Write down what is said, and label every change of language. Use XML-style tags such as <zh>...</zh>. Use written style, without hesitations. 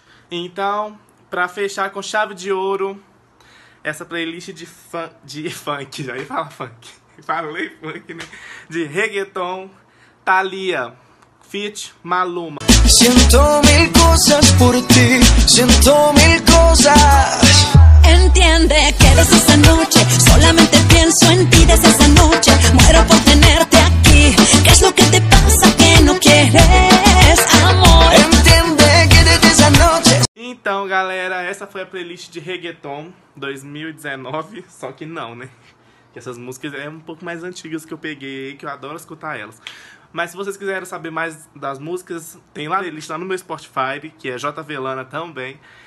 <pt>Então, pra fechar com chave de ouro, essa playlist de funk, já ia falar funk, falei funk, né? De reggaeton, Thalia, feat. Maluma.</pt> <es>Siento mil cosas por ti, siento mil cosas. Entiende que desde esa noche, solamente pienso en ti desde esa noche. Muero por tenerte aquí, ¿qué es lo que te pasa que no quieres, amor? Entiende que desde esa noche.</es> <pt>Então, galera, essa foi a playlist de reggaeton 2019, só que não, né? Essas músicas é um pouco mais antigas que eu peguei, que eu adoro escutar elas. Mas se vocês quiserem saber mais das músicas, tem lá a playlist lá no meu Spotify, que é JV Lana também.</pt>